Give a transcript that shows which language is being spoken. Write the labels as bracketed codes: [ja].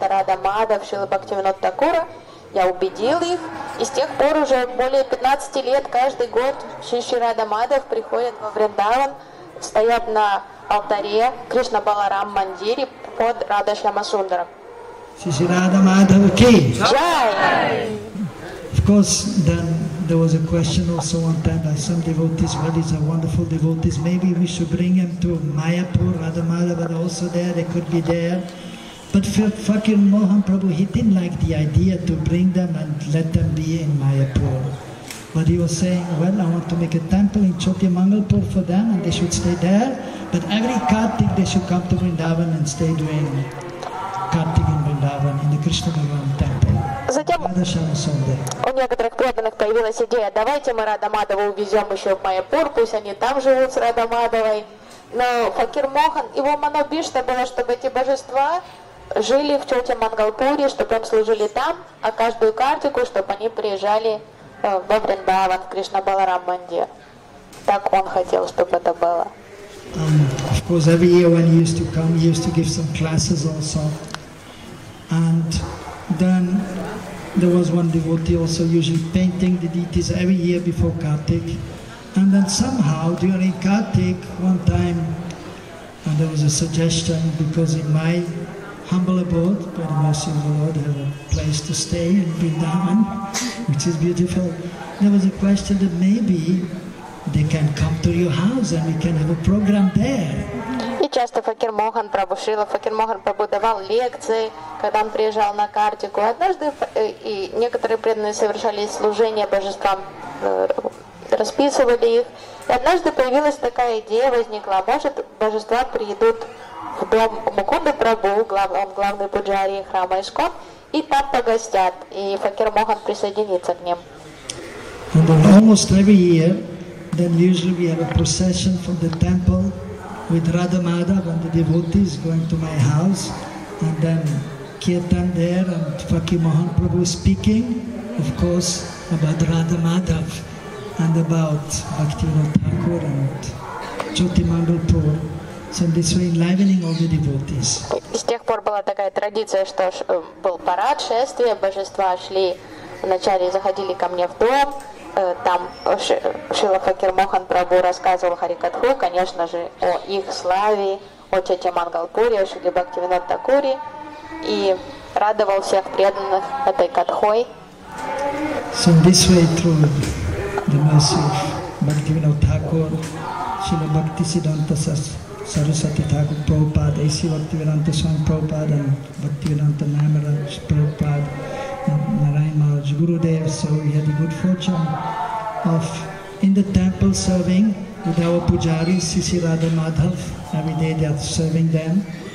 [ru] Это Радха Мадхав, Шрила Бхактивинода Такура. Я убедил их. И с тех пор уже более 15 лет каждый год Шри Радха Мадхав приходит во Вриндаван, стоят на алтаре Кришна Баларам Мандире под Радха Шьяма Сундара. Шри Радха Мадхав ки! Джай! [en] Of course, then there was a question also one time by some devotees, well, these are wonderful devotees, maybe we should bring them to Mayapur, Radha Madhav, but also there, they could be there. But Fakir Mohan Prabhu, he didn't like the idea to bring them and let them be in Mayapur. But he was saying, well, I want to make a temple in Chokhi Mangalpur for them and they should stay there. But every Kartik they should come to Vrindavan and stay doing Kartik in Vrindavan in the Krishna Bhagavan temple. [ru] У некоторых преданных появилась идея, давайте мы Радха Мадаву увезем еще в Майяпур, пусть они там живут с Радха Мадавой. Но Факир Мохан, его манобишна была, чтобы эти божества жили в Чоте Мангалпуре, чтобы им служили там, а каждую картику, чтобы они приезжали во Вриндаван, в Кришна Баларам Мандир. Так он хотел, чтобы это было. [en] Of course, every year when he used to come, he used to give some classes also. And then there was one devotee also usually painting the deities every year before Kartik. And then somehow during Kartik, one time, and there was a suggestion because in my humble abode, by the mercy of the Lord, I have a place to stay in Vrindavan, which is beautiful. There was a question that maybe they can come to your house and we can have a program there. [ru] Часто Факир Мохан Прабху Шрила, Факир Мохан Прабху давал лекции, когда он приезжал на Картику. Однажды и некоторые преданные совершали служение божествам, расписывали их. И однажды появилась такая идея, возникла, может, божества придут в дом Мукунда Прабху, он главный пуджари храма Искон, и там погостят, и Факир Мохан присоединится к ним. [en] And then almost every year, then usually we have a procession from the temple with Radha Madhav and the devotees going to my house, and then Kirtan there and Fakir Mohan Prabhu speaking, of course, about Radha Madhav and about Bhaktivinoda Thakur and Jyoti Mangalpur. So this way enlivening all the devotees. [ru] С тех пор была такая традиция, что был парад, шествие, божества шли, вначале заходили ко мне в дом, там Шрила Факир Мохан Прабху рассказывал Харикатху, конечно же, о их славе, о Чоте Мангалпуре, о Шриле Бхактивинода Такуре, и радовал всех преданных этой катхой. [en] So this way through the mercy of Bhaktivinoda Thakur, Shrila Bhaktisiddhanta Sarasvati Thakur Prabhupada, Isi Bhaktivinoda Swami Prabhupada, Bhaktivinoda Maharaj Prabhupada, Narayan Maharaj Gurudev, so we had the good fortune of in the temple serving with our pujaris, Sisi Radha Madhav, every day they are serving them.